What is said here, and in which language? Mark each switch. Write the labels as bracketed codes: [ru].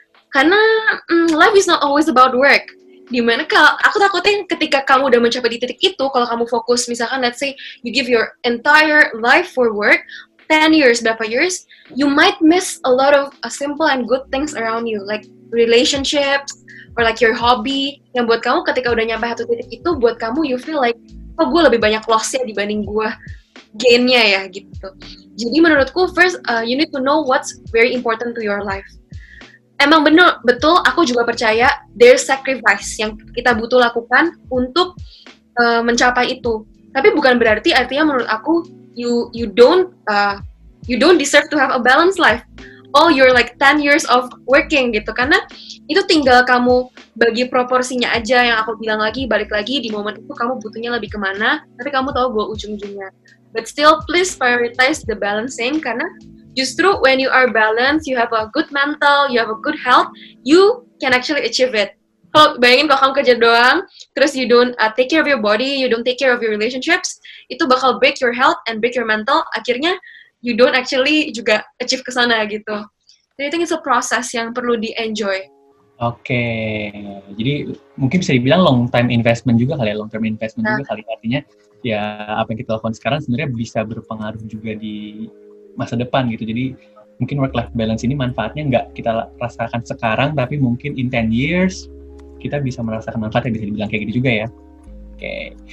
[id] Karena [en] life is not always about work. [id] Dimana aku takutnya ketika kamu udah mencapai di titik itu, kalau kamu fokus, misalkan [en] let's say you give your entire life for work, 10 years, [id] berapa years, [en] you might miss a lot of simple and good things around you, like relationships, or like your hobby, [id] yang buat kamu ketika udah nyampe satu titik itu, buat kamu [en] you feel like, [id] oh, gue lebih banyak loss-nya dibanding gue gain-nya ya, gitu. Jadi menurutku, [en] first, you need to know what's very important to your life. [id] Emang bener, betul, aku juga percaya [en] there's sacrifice [id] yang kita butuh lakukan untuk mencapai itu. Tapi bukan berarti, artinya menurut aku, [en] you don't deserve to have a balanced life. All your like 10 years of working, gitu. [id] Karena itu tinggal kamu bagi proporsinya aja, yang aku bilang lagi, balik lagi, di momen itu kamu butuhnya lebih kemana, tapi kamu tahu gue ujung-ujungnya. [en] But still, please prioritize the balancing, [id] karena justru [en] when you are balanced, you have a good mental, you have a good health, you can actually achieve it. [id] Kalau bayangin kalau kamu kerja doang, terus [en] you don't take care of your body, you don't take care of your relationships, [id] itu bakal [en] break your health and break your mental, akhirnya you don't actually juga achieve kesana gitu. Jadi I think it's a process [id] yang perlu di [en] enjoy. Okay. [id] Jadi mungkin bisa dibilang [en] long time investment [id] juga kali ya, [en] long term investment [id] juga kali, artinya ya apa yang kita lakukan sekarang sebenarnya bisa berpengaruh juga di masa depan gitu. Jadi mungkin work life balance ini manfaatnya nggak kita rasakan sekarang, tapi mungkin [en] in 10 years [id] kita bisa merasakan manfaatnya, bisa dibilang kayak gitu juga ya. Okay.